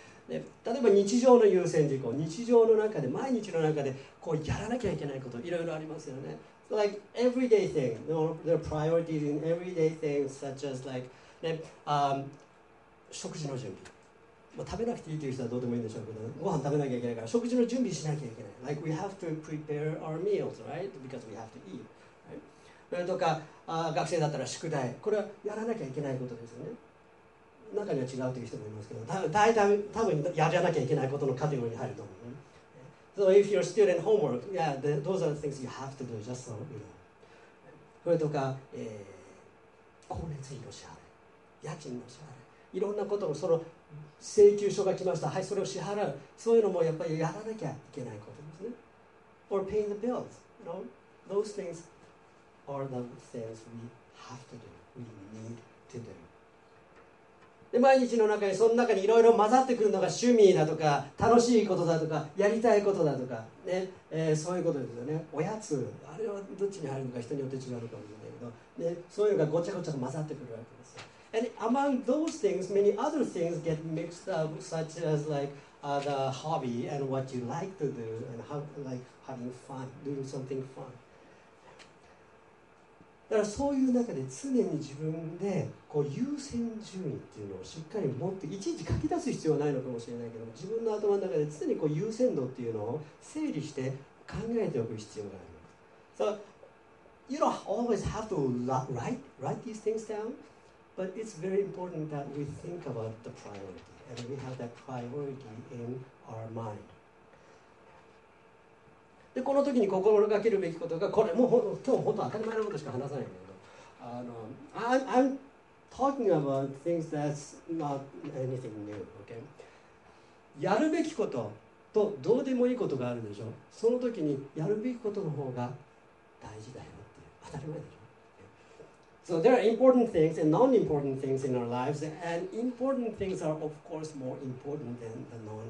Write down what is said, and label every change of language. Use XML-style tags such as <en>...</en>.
<ja>で、例えば日常の優先事項、日常の中で毎日の中でこうやらなきゃいけないこといろいろありますよね。</ja> <en>So, like everyday thing, there are priorities in everyday things such as like、</en> <ja>食事の準備。まあ、食べなくていいという人はどうでもいいんでしょうけど、ご飯食べなきゃいけないから食事の準備しなきゃいけない。</ja> <en>Like we have to prepare our meals, right? Because we have to eat.</en> <ja>とか学生だったら宿題、これはやらなきゃいけないことですよね。中には違うという人もいますけど、大体多分やらなきゃいけないことのカテゴリーに入ると思う、ね。</ja> <en>So if you're a student homework, yeah, those are the things you have to do just so you know.</en> <ja>それとか、光熱費の支払い、家賃の支払い、いろんなことをその請求書が来ました、はいそれを支払う、そういうのもやっぱりやらなきゃいけないことですね。</ja> <en>Or paying the bills, you know, those things. Are the things we have to do, we need to do.</en> <ja>で毎日の中にその中にいろいろ混ざってくるのが趣味だとか楽しいことだとかやりたいことだとか、ねそういうことですよね。おやつ、あれはどっちに入るのか人によって違うのかもしれないけど、ね、そういうのがごちゃごちゃと混ざってくるわけです。</ja> <en>And among those things, many other things get mixed up, such as like、the hobby and what you like to do and how, like having fun, doing something fun.</en> <ja>だからそういう中で常に自分でこう優先順位っていうのをしっかり持って、いちいち書き出す必要はないのかもしれないけども、自分の頭の中で常にこう優先度っていうのを整理して考えておく必要があります。</ja> <en>So, you don't always have to write these things down, but it's very important that we think about the priority, and we have that priority in our mind.</en> <ja>でこの時に心がけるべきことが、これもう今日本当当たり前のことしか話さないんだけど、</ja> <en>I'm talking about things that's not anything new, okay?</en> <ja>やるべきこととどうでもいいことがあるでしょ。その時にやるべきことの方が大事だよっていう、当たり前でしょ。</ja> <en>So there are important things and non-important things in our lives, and important things are of course more important than the non-important.</en>